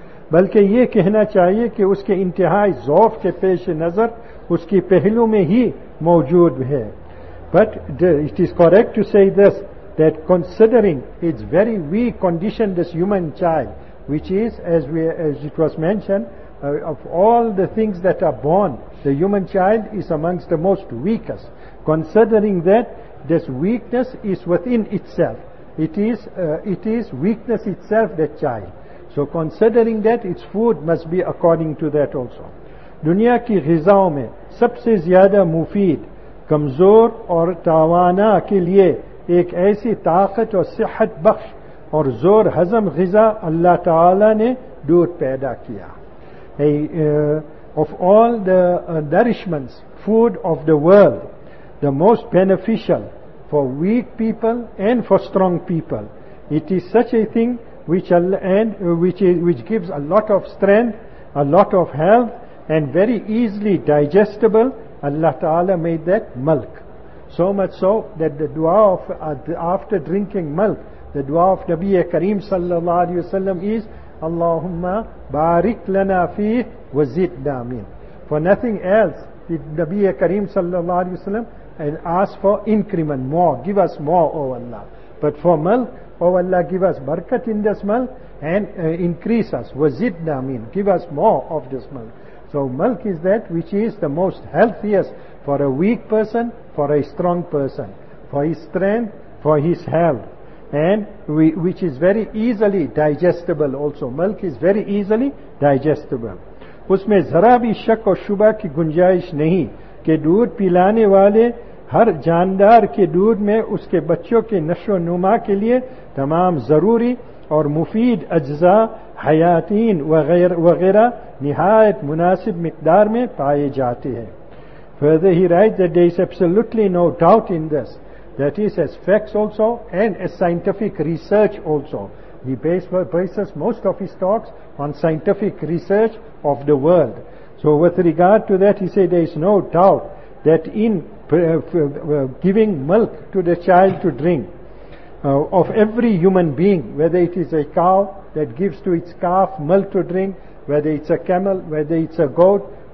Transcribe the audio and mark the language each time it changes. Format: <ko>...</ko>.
<ur>بلکہ یہ کہنا چاہیے کہ اس کے انتہائی ضعف کے پیش نظر اس کی پہلو میں ہی موجود ہے.</ur> <en>But it is correct to say this, that considering its very weak condition, this human child, which is, as it was mentioned, of all the things that are born, the human child is amongst the most weakest. Considering that, this weakness is within itself. It is weakness itself, that child. So considering that, its food must be according to that also.</en> <ur>دنیا کی غذاؤں میں سب سے زیادہ مفید کمزور اور توانا کے لیے ایک ایسی طاقت اور صحت بخش اور زور ہضم غذا اللہ تعالی نے دودھ پیدا کیا.</ur> <en>Of all the nourishments, food of the world, the most beneficial for weak people and for strong people. It is such a thing which gives a lot of strength, a lot of health, and very easily digestible. Allah Ta'ala made that milk. So much so that the dua of after drinking milk, the dua of Nabi Kareem Sallallahu Alaihi Wasallam is,</en> <ar>Allahumma barik lana fi wa zidna min.</ar> <en>For nothing else did Nabi Kareem Sallallahu Alaihi Wasallam ask for increment, more, give us more, O Allah. But for milk, O Allah, give us barakat in this milk and increase us. Wazidna mean, give us more of this milk. So milk is that which is the most healthiest for a weak person, for a strong person, for his strength, for his health, and which is very easily digestible also. Milk is very easily digestible.</en> <ur>Usme zara bhi shak aur shubha ki gunjayish nahi ke doodh pilane wale ہر جاندار کے دودھ میں اس کے بچوں کے نشو و نما کے لیے تمام ضروری اور مفید اجزاء حیاتین وغیرہ نہایت مناسب مقدار میں پائے جاتے ہیں.</ur> <en>Further he writes that there is absolutely no doubt in this. That is as facts also and as scientific research also. He bases most of his talks on scientific research of the world. So with regard to that he said there is no doubt that in giving milk to the child to drink of every human being, whether it is a cow that gives to its calf milk to drink, whether it's a camel, whether it's a goat,</en>